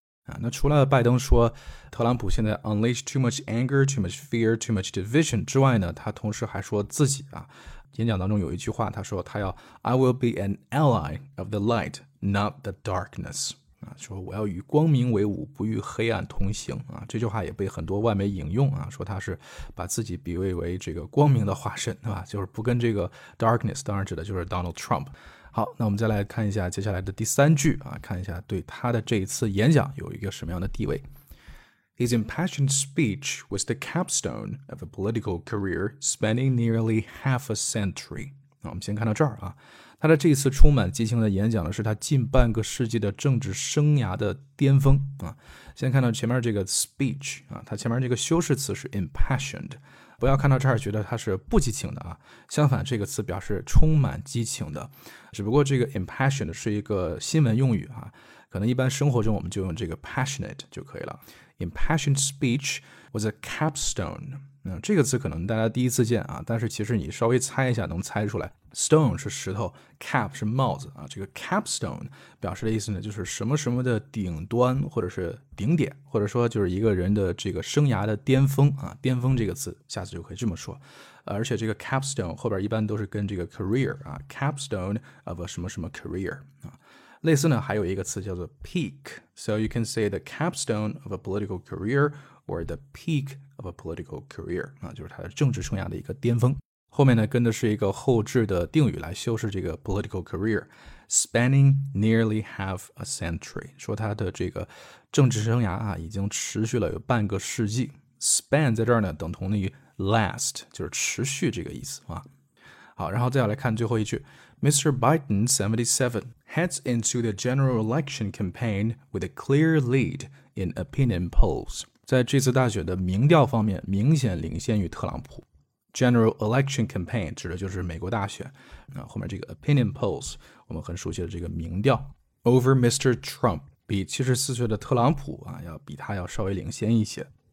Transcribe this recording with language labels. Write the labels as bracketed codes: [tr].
[zh] 啊，那除了拜登说特朗普现在 [en] unleash too much anger, too much fear, too much division [zh] 之外呢，他同时还说自己啊，演讲当中有一句话，他说他要 [en] I will be an ally of the light, not the darkness, [zh] 啊，说我要与光明为伍，不与黑暗同行啊，这句话也被很多外媒引用啊，说他是把自己比喻为这个光明的化身，对吧？就是不跟这个 darkness, 当然指的就是 Donald Trump。好，那我们再来看一下接下来的第三句啊，看一下对他的这一次演讲有一个什么样的地位。 [en] His impassioned speech was the capstone of a political career spanning nearly half a century. [zh] 那我们先看到这儿啊。他的这一次充满激情的演讲呢，是他近半个世纪的政治生涯的巅峰啊！先看到前面这个 speech 啊，他前面这个修饰词是 impassioned， 不要看到这儿觉得他是不激情的啊，相反，这个词表示充满激情的，只不过这个 impassioned 是一个新闻用语啊，可能一般生活中我们就用这个 passionate 就可以了。 [en] Impassioned speech was a capstone。 [zh] 这个词可能大家第一次见啊，但是其实你稍微猜一下能猜出来。 Stone 是石头 ，cap 是帽子啊。这个 capstone 表示的意思呢，就是什么什么的顶端或者是顶点，或者说就是一个人的这个生涯的巅峰啊。巅峰这个词下次就可以这么说。而且这个 capstone 后边一般都是跟这个 career 啊 ，capstone of a 什么什么 career 啊。类似呢，还有一个词叫做 peak， [en] so you can say the capstone of a political career [zh] or the peak of a political career 啊，就是他的政治生涯的一个巅峰。后面呢跟的是一个后置的定语来修饰这个 political career， [en] spanning nearly half a century， [zh] 说他的这个政治生涯啊已经持续了有半个世纪。 span 在这儿呢等同于 last， 就是持续这个意思啊。好，然后再来看最后一句。 [en] Mr. Biden, 77, heads into the general election campaign with a clear lead in opinion polls. [zh] 在这次大选的民调方面明显领先于特朗普。 General election campaign 指的就是美国大选。后面这个 opinion polls, 我们很熟悉的这个民调。 [en] Over Mr. [zh] Trump, 比74岁的特朗普啊要比他要稍微领先一些。